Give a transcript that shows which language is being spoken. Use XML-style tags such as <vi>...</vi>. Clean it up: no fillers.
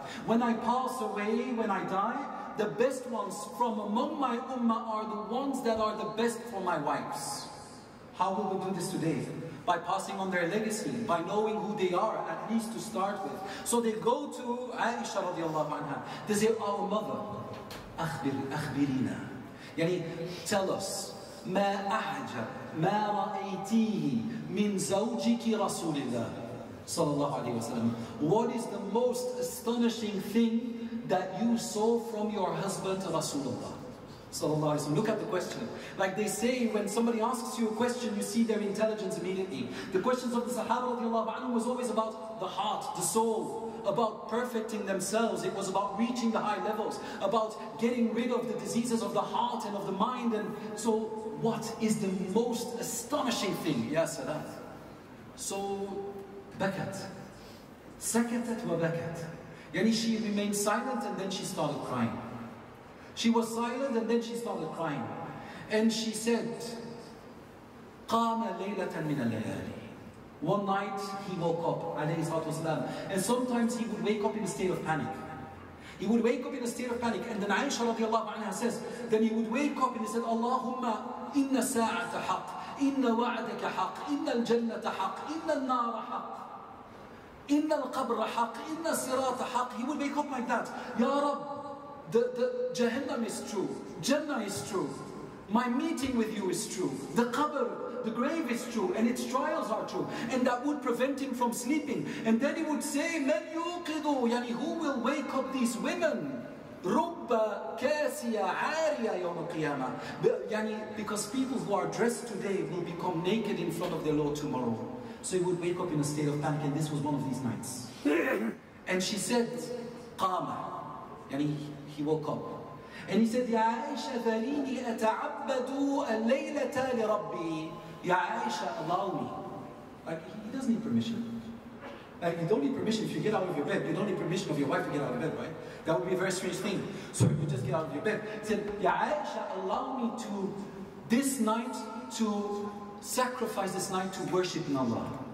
<en>When I pass away, when I die, the best ones from among my ummah are the ones that are the best for my wives. How will we do this today? By passing on their legacy, by knowing who they are, at least to start with. So they go to Aisha radiallahu anha. They say, our mother,</en> <ar>أخبرينا.</ar> <en>Yani, tell us.</en> <ar>ما أعجب ما رأيتيه من زوجك رسول الله صلى الله عليه وسلم.</ar> <en>What is the most astonishing thing that you saw from your husband Rasulullah</en> <ar>صلى الله عليه وسلم.</ar> <en>Look at the question. Like they say, when somebody asks you a question, you see their intelligence immediately. The questions of the Sahaba</en> <ar>رضي الله عنه</ar> <en>was always about the heart, the soul, about perfecting themselves. It was about reaching the high levels, about getting rid of the diseases of the heart and of the mind. And so what is the most astonishing thing? Ya Salat.</en> <ar>So, bakat. Sakatat wa bakat.</ar> <en>Yani she remained silent and then she started crying. She was silent and then she started crying. And she said,</en> <ar>qama laylatan min al-layali.</ar> <en>One night he woke up, alayhi salatu wasalam. And sometimes he would wake up in a state of panic. He would wake up in a state of panic. And then Aisha radiallahu anha says, then he would wake up and he said,</en> <ar>Allahumma, إن ساعة حق إن وعدك حق إن الجنة حق إن النار حق إن القبر حق إن الصراط حق.</ar> <en>He would wake up like that. Ya Rab, the Jahannam is true. Jannah is true. My meeting with you is true. The qabr, the grave is true. And its trials are true. And that would prevent him from sleeping. And then he would say,</en> <ar>من يوقظوا,</ar> <en>yani who will wake up these women?</en> <ar>رُبَّ كَاسِيَ عَارِيَ يَوْمَ الْقِيَامَةِ.</ar> <en>Yani, because people who are dressed today will become naked in front of their Lord tomorrow. So he would wake up in a state of panic, and this was one of these nights. And she said,</en> <ar>قَامَ.</ar> <en>Yani, he woke up. And he said,</en> <ar>يَا عَيْشَ ذَلِينِي أَتَعَبَّدُ اللَّيْلَةَ لِرَبِّي. يَا عَيْشَ,</ar> <en>allow me. Like, he doesn't need permission. Like, you don't need permission if you get out of your bed. You don't need permission of your wife to get out of bed, right? That would be a very strange thing. So you just get out of your bed. He said, Ya Aisha, allow me to, this night, to sacrifice this night to worship in Allah.</en>